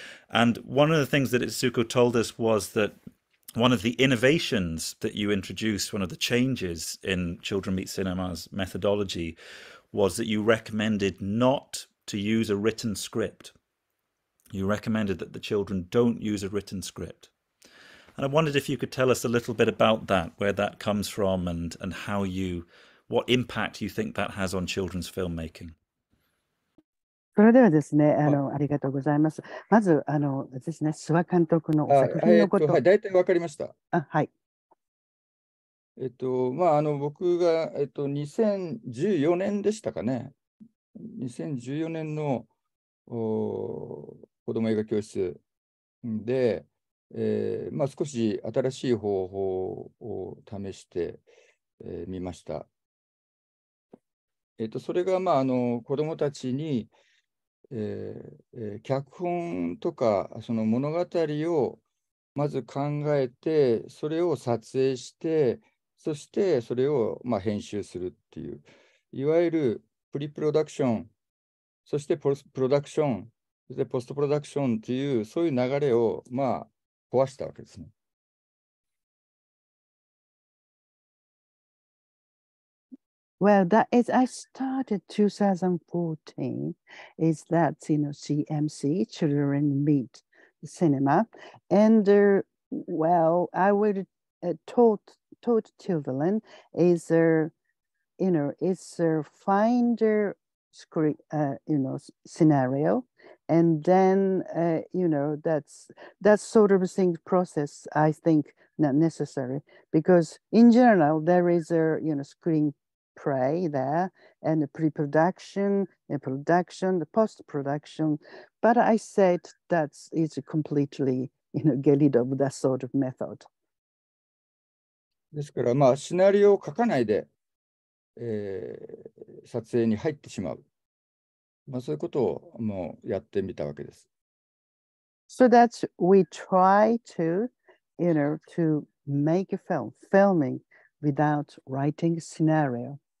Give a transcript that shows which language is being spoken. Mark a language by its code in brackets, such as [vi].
[en] And one of the things that Etsuko told us was that one of the innovations that you introduced, one of the changes in Children Meet Cinema's methodology, was that you recommended not to use a written script. You recommended that the children don't use a written script. And I wondered if you could tell us a little bit about that, where that comes from and how you, what impact you think that has on children's filmmaking. [ja] それではですね、ありがとうございます。まず、ですね、諏訪監督の作品のことを。僕が2014年でしたかね。 2014年の子ども映画教室で、少し新しい方法を試してみました。それが子どもたちに脚本とかその物語をまず考えて、それを撮影して、そしてそれをまあ編集するっていう、いわゆるプリプロダクション、そしてポスプロダクション、そしてポストプロダクションっていう、そういう流れをまあ壊したわけですね。 [en] Well, that is, I started 2014, is that, you know, CMC, Children Meet Cinema. And, well, I would taught children is, you know, is a finder script, you know, scenario. And then, you know, that's sort of a thing process, I think, not necessary. Because in general, there is a, you know, screen play there, and the pre-production, the production, the post-production. But I said that is completely, you know, get rid of that sort of method. [ja] ですから、まあ、シナリオを書かないで、撮影に入ってしまう。まあ、そういうことをもうやってみたわけです。 [en] So that we try to, you know, to make a film, filming without writing a scenario.